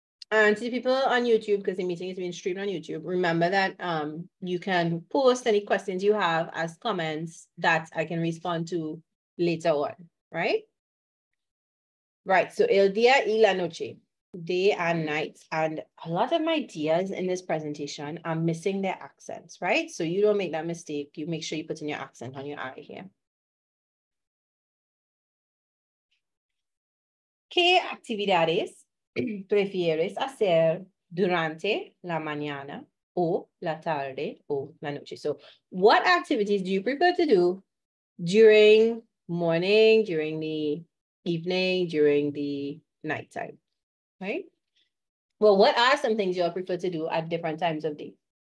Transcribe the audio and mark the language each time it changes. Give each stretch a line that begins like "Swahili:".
English: And to the people on YouTube, because the meeting is being streamed on YouTube, remember that you can post any questions you have as comments that I can respond to later on, right? Right, so
Spanish: el día y la noche,
English: day and night. And a lot of my ideas in this presentation are missing their accents, right? So you don't make that mistake. You make sure you put in your accent on your eye here.
Spanish: ¿Qué actividades prefieres hacer durante la mañana o la tarde o la noche?
English: So what activities do you prefer to do during morning, during the evening, during the nighttime, right? Well, what are some things you'll prefer to do at different times of day?